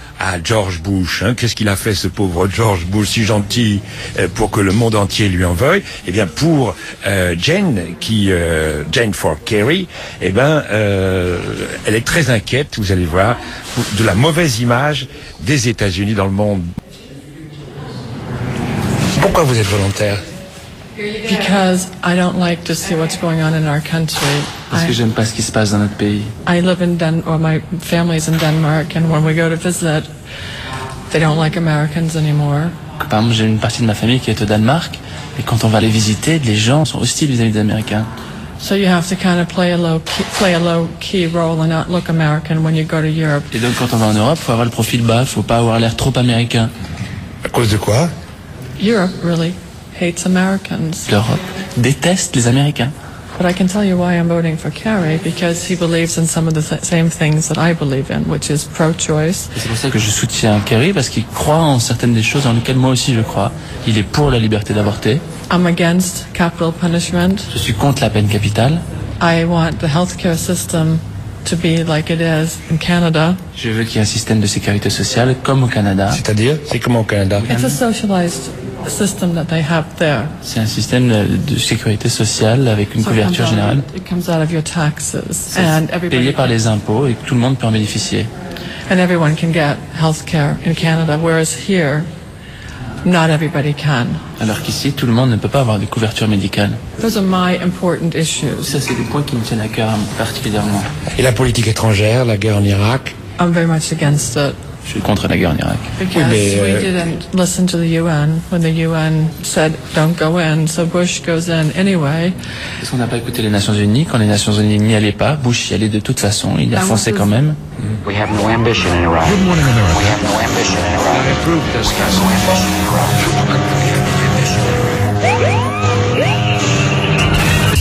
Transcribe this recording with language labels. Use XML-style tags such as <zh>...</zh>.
<fr>Ah, George Bush, hein, qu'est-ce qu'il a fait ce pauvre George Bush, si gentil, pour que le monde entier lui en veuille? Eh bien, pour Jane, qui Jane for Kerry, eh bien, elle est très inquiète, vous allez voir, de la mauvaise image des États-Unis dans le monde. Pourquoi vous êtes volontaire?</fr> <en>Because I don't like to see what's going on in our country.</en> <fr>Parce que j'aime pas ce qui se passe dans notre pays.</fr> <en>I live in Denmark, my family's in Denmark, and when we go to visit, they don't like Americans anymore.</en> <fr>Par exemple, j'ai une partie de ma famille qui est au Danemark, et quand on va les visiter, les gens sont hostiles vis-à-vis des Américains.</fr> <en>So you have to kind of play a low key role and not look American when you go to Europe.</en> <fr>Et donc quand on va en Europe, faut avoir le profil bas, faut pas avoir l'air trop américain. À cause de quoi?</fr> <en>Europe, really. Hates Americans.</en> <fr>L'Europe déteste les Américains.</fr> <en>But I can tell you why I'm voting for Kerry, because he believes in some of the same things that I believe in, which is pro-choice.</en> <fr>Et c'est pour ça que je soutiens Kerry, parce qu'il croit en certaines des choses en lesquelles moi aussi je crois. Il est pour la liberté d'avorter.</fr> <en>I'm against capital punishment.</en> <fr>Je suis contre la peine capitale.</fr> <en>I want the healthcare system to be like it is in Canada.</en> <fr>Je veux qu'il y ait un système de sécurité sociale comme au Canada. C'est-à-dire, c'est comme au Canada.</fr> <en>It's a socialized system that they have there.</en> <fr>C'est un système de sécurité sociale avec une couverture générale.</fr> <en>It comes out of your taxes.</en> <fr>C'est payé par les impôts et que tout le monde peut en bénéficier.</fr> <en>And everyone can get healthcare in Canada, whereas here, not everybody can.</en> <fr>Alors qu'ici, tout le monde ne peut pas avoir de couverture médicale.</fr> <en>Those are my important issues.</en> <fr>Ça, c'est des points qui me tiennent à cœur particulièrement. Et la politique étrangère, la guerre en Irak?</fr> <en>I'm very much against it.</en> <fr>Je suis contre la guerre en Irak.</fr> <en>Because</en> <fr>oui, mais,</fr> <en>we didn't listen to the UN when the UN said don't go in, so Bush goes in anyway.</en> <fr>Parce qu'on n'a pas écouté les Nations Unies. Quand les Nations Unies n'y allaient pas, Bush y allait de toute façon. Il a foncé quand même.</fr> <en>We have no ambition in Iraq. Good morning, America. We have no ambition in Iraq. I approve this. We have no ambition in Iraq.</en>